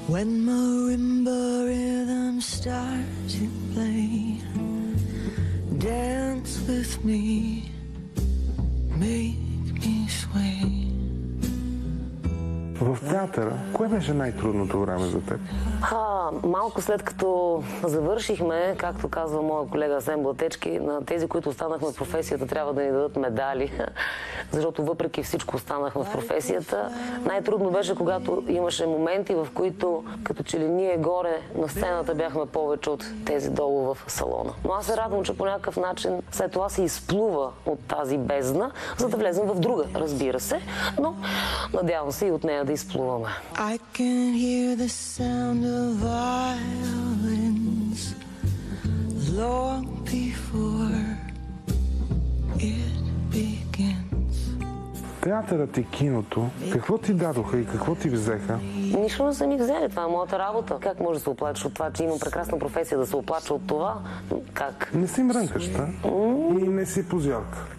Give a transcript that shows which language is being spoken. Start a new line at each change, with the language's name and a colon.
English: When marimba rhythm starts to play, dance with me, make me sway.
Bulgarian: В театъра, кое беше най-трудното време за теб? Малко след като завършихме, както казва моя колега Асен Блатечки, на тези, които останахме в професията, трябва да ни дадат медали. Защото въпреки всичко останахме в професията. Най-трудно беше, когато имаше моменти, в които като че ли ние горе на сцената бяхме повече от тези долу в салона. Но аз се радвам, че по някакъв начин след това се изплува от тази бездна, за да влезем в друга, разбира се. Но надявам се и от нея да изплуваме.
English: I can hear the sound of violins long before it began.
Bulgarian: Театърът и киното, какво ти дадоха и какво ти взеха? Нищо не са ми взели, това е моята работа. Как може да се оплачеш от това, че имам прекрасна професия, да се оплача от това? Как? Не си мрънкаш, да? И не си позьорка?